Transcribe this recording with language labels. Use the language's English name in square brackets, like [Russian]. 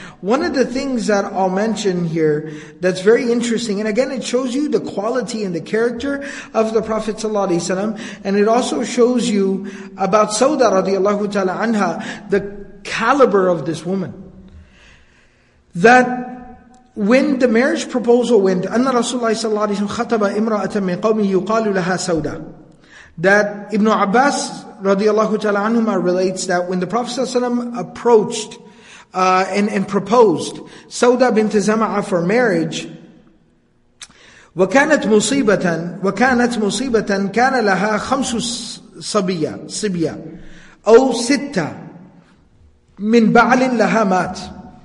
[English] One of the things that I'll mention here that's very interesting, and again it shows you the quality and the character of the Prophet ﷺ, and it also shows you about Sauda radiallahu ta'ala anha, the caliber of this woman. That when the marriage proposal went, [Arabic] أَنَّ رَسُولَ اللَّهِ صَلَّى اللَّهِ عَلَيْهِ وَسَلَّمَ خَطَبَ إِمْرَأَةً مِنْ قَوْمِهِ يُقَالُ لَهَا سَوْدَى. [English] That Ibn Abbas radiallahu ta'ala anhuma relates that when the Prophet ﷺ approached and proposed Sauda bint Zama'a for marriage, [Arabic] وَكَانَتْ مُصِيبَةً كَانَ لَهَا خَمْسُ صَبِيَا أَوْ سِتَّةً مِنْ بَعْلٍ لَهَا مَاتْ.